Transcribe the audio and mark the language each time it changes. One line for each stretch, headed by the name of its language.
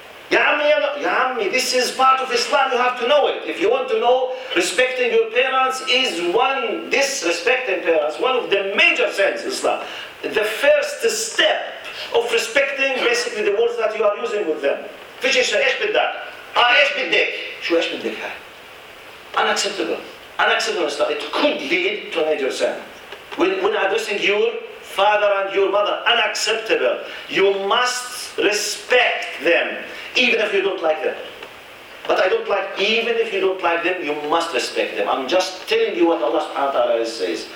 Arabic: يا عمي,
English: this is part of Islam, you have to know it. If you want to know, respecting your parents is one, disrespecting parents, one of the major sins in Islam. The first step of respecting basically the words that you are using with them.
Arabic: فيش ايش بدك؟ ايش بدك؟ شو ايش بدك هاي؟
English: Unacceptable stuff. It could lead to a major sin. When addressing your father and your mother, unacceptable. You must respect them, even if you don't like them. But I don't like, even if you don't like them, you must respect them. I'm just telling you what Allah subhanahu wa ta'ala says.